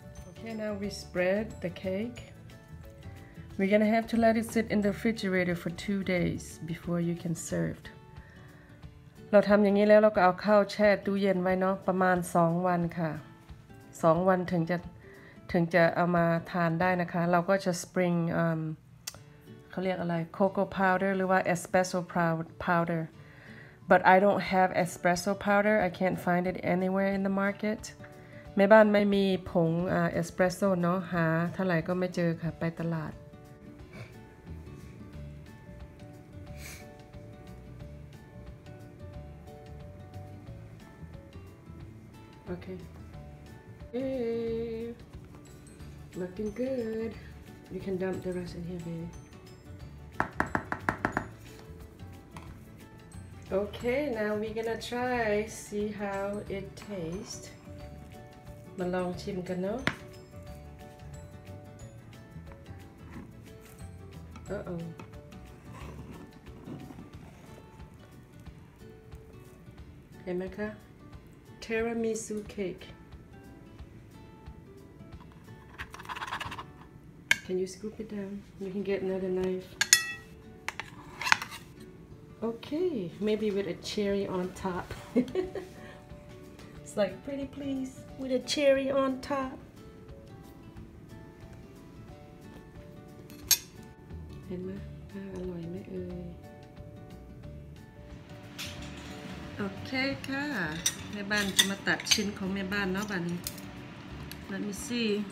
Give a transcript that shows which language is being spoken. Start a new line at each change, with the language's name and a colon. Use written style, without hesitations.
English: Okay, now we spread the cake. We're gonna have to let it sit in the refrigerator for 2 days before you can serve.
Thai: เราทำอย่างนี้แล้วเราก็เอาข้าวแช่ตู้เย็นไว้เนาะประมาณ2วันค่ะ2วันถึงจะเอามาทานได้นะคะเราก็จะสปริง เขาเรียกอะไรโคโก้พาวเดอร์หรือว่าเอสเปรสโซ่พาวเดอร์
English: but I don't have espresso powder I can't find it anywhere in the market
Thai: แม่บ้านไม่มีผงเอสเปรสโซ่เนาะหาเท่าไหร่ก็ไม่เจอค่ะไปตลาดOkay.
English: Hey, looking good. You can dump the rest in here, babe. Okay, now we're gonna try, see how it tastes.
Thai: มาลองชิมกันเนาะ Uh-oh. เห็นไหมคะTiramisu cake.
English: Can you scoop it down? You can get another knife. Okay, maybe with a cherry on top. It's like pretty please with a cherry on top.
Thai: เห็นไหมอร่อยไหมเอ่ยOkay, ka. แม่บ้านจะมาตัดชิ้นของแม่บ้านเนาะบัดนี้
English: Let me see.